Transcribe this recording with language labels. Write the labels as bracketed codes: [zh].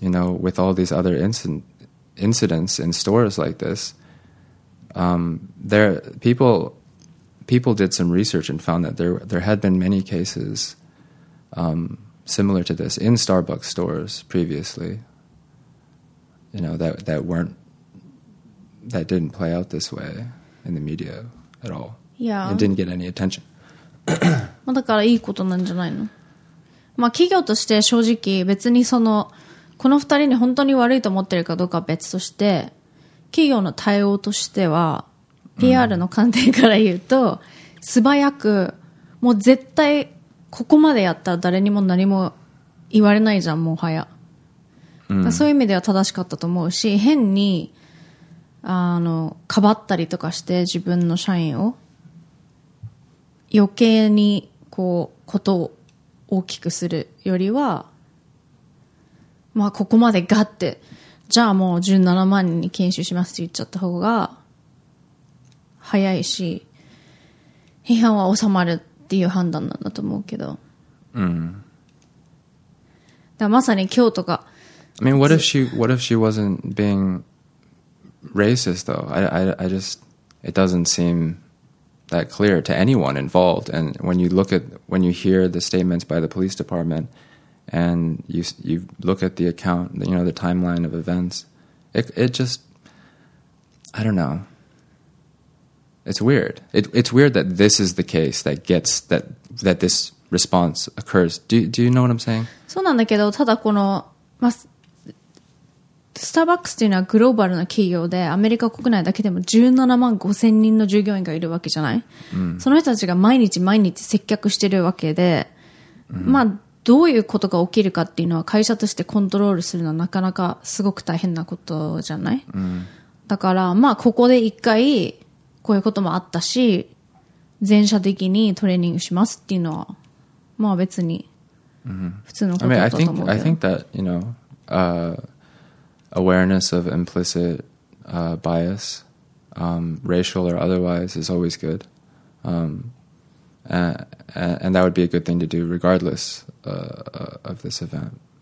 [en] You know, with all these other incidents in stores like this, there people did some research and found that there had been many cases similar to this in Starbucks stores previously. You know that weren't. That didn't play out this way in the media at all. Yeah. It didn't get any attention. [ja] まあだからいいことなんじゃないの。まあ企業として正直別にそのこの二人に本当に悪いと思ってるかどうかは別として、企業の対応としては PR の観点から言うと、素早くもう絶対ここまでやったら誰にも何も言われないじゃんもはや。だそういう意味では正しかったと思うし、変にかばったりとかして自分の社員を余計にこうことを大きくするよりは、まあここまでガッてじゃあもう17万人に研修しますって言っちゃった方が早いし、批判は収まるっていう判断なんだと思うけど、うん、だまさに今日とか、 [en] I mean what if she wasn't being racist though? I just it doesn't seem that clear to anyone involved. And when you hear the statements by the police department and you look at the account, you know, the timeline of events, it just, I don't know. It's weird. It's weird that this is the case that gets that this response occurs. Do you know what I'm saying? [ja] そうなんだけど、ただこの、まあ、スターバックスっていうのはグローバルな企業で、アメリカ国内だけでも17万5000人の従業員がいるわけじゃない、うん、その人たちが毎日毎日接客してるわけで、うん、まあどういうことが起きるかっていうのは会社としてコントロールするのはなかなかすごく大変なことじゃない、うん、だからまあここで一回こういうこともあったし、全社的にトレーニングしますっていうのはまあ別に普通のことだと思うけど、うん、 [en] I think that, you know, awareness of implicit bias, racial or otherwise, is always good. And that would be a good thing to do regardless of this event.